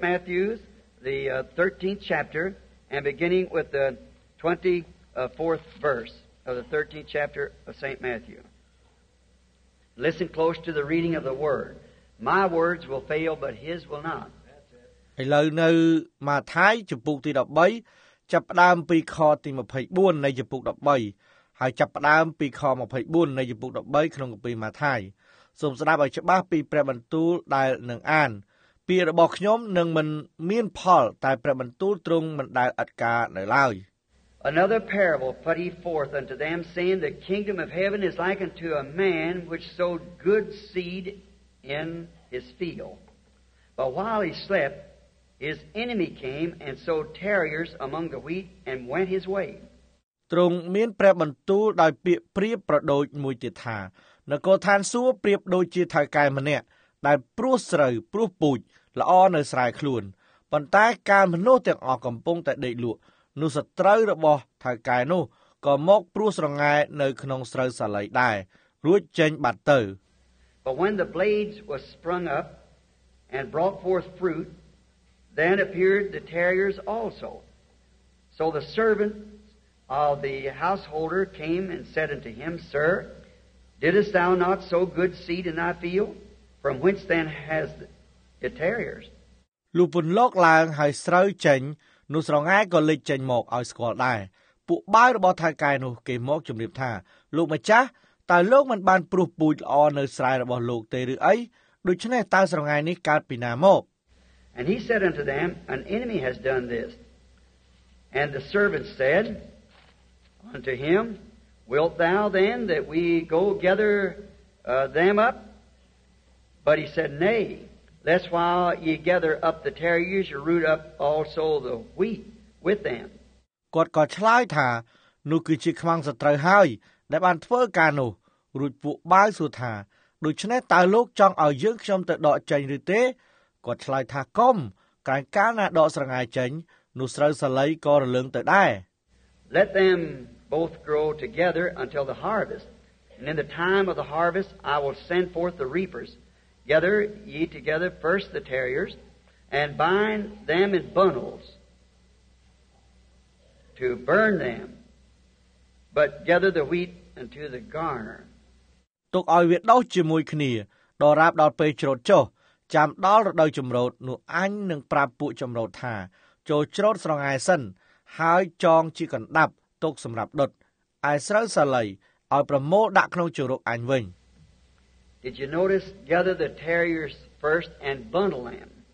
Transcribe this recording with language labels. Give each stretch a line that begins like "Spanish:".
English: Matthew's the 13th chapter and beginning with the 24th verse of the 13th chapter of St. Matthew. Listen close to the reading of the word. My words will fail, but his will not.
Khmer: ឥឡូវនៅម៉ាថាយចំពុកទី 13 ចាប់ផ្ដើមពីខទី 24 នៃចំពុក 13ហើយចាប់ផ្ដើមពីខ24នៃចំពុក 13ក្នុងគម្ពីរម៉ាថាយសូមស្ដាប់ឲ្យច្បាស់ពីព្រះបន្ទូលដែលនឹងអានពាក្យរបស់ខ្ញុំនឹងមិនមានផលតែព្រះបន្ទូលទ្រង់មិនដែលអត់ការនៅឡើយ.
English: Another parable put he forth unto them, saying, The kingdom of heaven is like unto a man which sowed good seed in his field. But while he slept, his enemy came and sowed tares among the wheat and went his way.
Khmer: ទ្រង់មានព្រះបន្ទូលដោយពាក្យប្រៀបប្រដូចមួយទៀតថានគរឋានសួគ៌ប្រៀបដូចជាថៅកែម្នាក់ដែលព្រោះស្រូវព្រោះពូជល្អនៅស្រែខ្លួនប៉ុន្តែកាលមនុស្សទាំងអស់កំពុងតែដេកលក់នោះសត្រូវរបស់ថៅកែនោះក៏មកព្រោះស្រងែនៅក្នុងស្រូវសាលីដែររួចចេញបាត់ទៅ.
English: But when the blades were sprung up and brought forth fruit, then appeared the tares also. So the servant of the householder came and said unto him, Sir, didst thou not sow good seed in thy field? From whence then has the tares?
Khmer: លុបពន្លកឡើងហើយស្រូវចេញនោះស្រងែក៏លេចចេញមកឲ្យស្គាល់ដែរ. ពួកបាវរបស់ថៅកែនោះគេមកជម្រាបថាលោកម្ចាស់តើលោកមិនបានព្រោះពូជល្អនៅស្រែរបស់លោកទេឬអី? ដូច្នេះតើស្រងែនេះកើតពីណាមក?
English: And he said unto them, An enemy has done this. And the servant said, Unto him, Wilt thou then that we go gather them up? But he said, Nay, lest while ye gather up the tares, ye root up also the wheat with them.
Khmer: គាត់ក៏ឆ្លើយថានោះគឺជាខ្មាំងសត្រូវហើយដែលបានធ្វើការនោះរួចពួកបាវសួរថាដូច្នេះតើលោកចង់ឲ្យយើងខ្ញុំទៅដកចេញឬទេ? គាត់ឆ្លើយថាកុំក្រែងកាលណាដកស្រងាយចេញនោះស្រូវសាលីក៏រលឹងទៅដែរ.
English: Let them both grow together until the harvest. And in the time of the harvest, I will send forth the reapers. Gather ye together first the tares, and bind them in bundles to burn them. But gather the wheat into the garner.
Khmer: ទុកឲ្យវាដុះជាមួយគ្នាដរាបដល់ពេលច្រូតចុះចាំដល់រដូវចម្រូតនោះអញនឹងប្រាប់ពួកចម្រូតថាចូលច្រូតស្រងែសិនហើយចងជាកណ្ដាប់ទុកសម្រាប់ដុតឯស្រូវសាលីឲ្យប្រមូលដាក់ក្នុងជ្រុកអញវិញ.
English: Did you notice gather the tares first and bundle them?